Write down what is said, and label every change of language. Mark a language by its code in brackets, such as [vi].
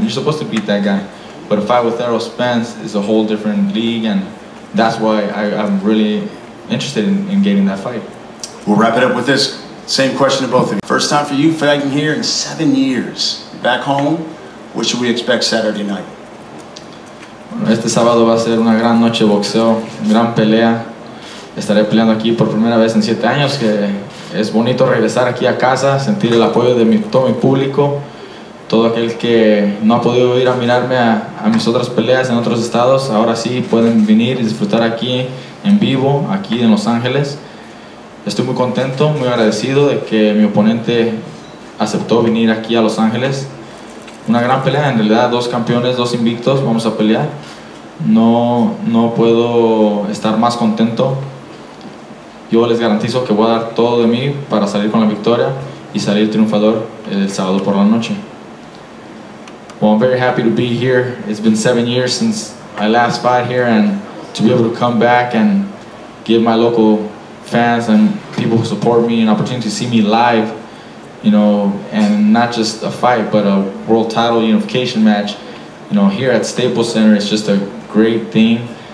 [en] You're supposed to beat that guy. But a fight with Errol Spence is a whole different league, and that's why I'm really interested in getting that fight. We'll wrap it up with this. Same question to both of you. First time for you fighting here in 7 years. Back home, what should we expect Saturday night? [es] Este sábado va a ser una gran noche de boxeo, gran pelea. Estaré peleando aquí por primera vez en 7 años, que es bonito regresar aquí a casa, sentir el apoyo de todo mi público. Todo aquel que no ha podido ir a mirarme a mis otras peleas en otros estados, ahora sí pueden venir y disfrutar aquí en vivo, aquí en Los Ángeles. Estoy muy contento, muy agradecido de que mi oponente aceptó venir aquí a Los Ángeles. Una gran pelea, en realidad dos campeones, dos invictos, vamos a pelear. No puedo estar más contento. Yo les garantizo que voy a dar todo de mí para salir con la victoria y salir triunfador el sábado por la noche. [en] Well, I'm very happy to be here. It's been 7 years since I last fought here, and to be able to come back and give my local fans and people who support me an opportunity to see me live, you know, and not just a fight, but a world title unification match, you know, here at Staples Center, it's just a great thing.